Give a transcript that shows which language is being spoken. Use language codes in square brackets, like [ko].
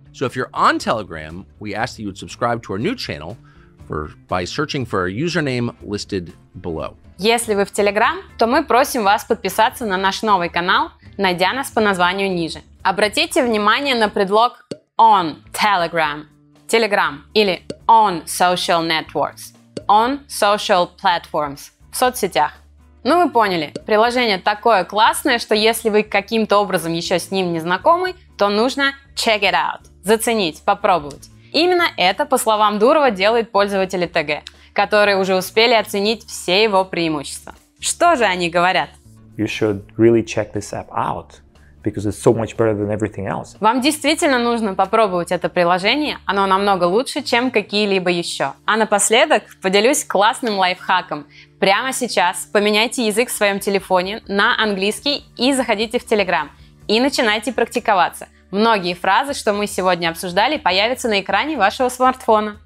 [en] So if you're on Telegram, we ask that you would subscribe to our new channel by searching for our username listed below. [ru] Если вы в Telegram, то мы просим вас подписаться на наш новый канал, найдя нас по названию ниже. Обратите внимание на предлог on Telegram, Telegram или [en] on social networks, on social platforms, [ru] в соцсетях. Ну, вы поняли, приложение такое классное, что если вы каким-то образом еще с ним не знакомы, то нужно [en] check it out, [ru] заценить, попробовать. Именно это, по словам Дурова, делают пользователи ТГ, которые уже успели оценить все его преимущества. Что же они говорят? [en] You should really check this app out, because it's so much better than everything else. [ru] Вам действительно нужно попробовать это приложение, оно намного лучше, чем какие-либо еще. А напоследок поделюсь классным лайфхаком. Прямо сейчас поменяйте язык в своем телефоне на английский и заходите в Telegram, и начинайте практиковаться. Многие фразы, что мы сегодня обсуждали, появятся на экране вашего смартфона.